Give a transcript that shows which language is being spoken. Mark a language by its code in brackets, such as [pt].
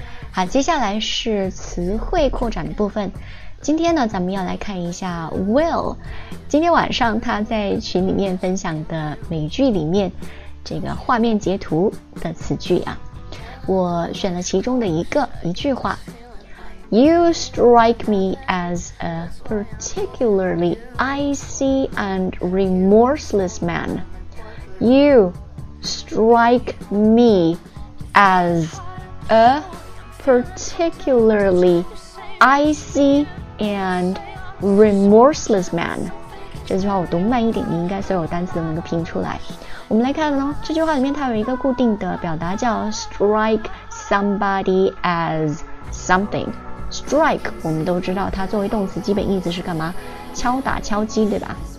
[zh] 好，接下来是词汇扩展的部分。今天呢，咱们要来看一下 Will 今天晚上他在群里面分享的美剧里面这个画面截图的词句啊，我选了其中的一句话。 [en] You strike me as a particularly icy and remorseless man. You strike me as a particularly icy and remorseless man. [zh] 这句话我读慢一点，你应该所有单词都能够拼出来。我们来看咯，这句话里面它有一个固定的表达叫 [en] strike somebody as something。 [zh] strike 我们都知道它作为动词基本意思是干嘛，敲打敲击，对吧？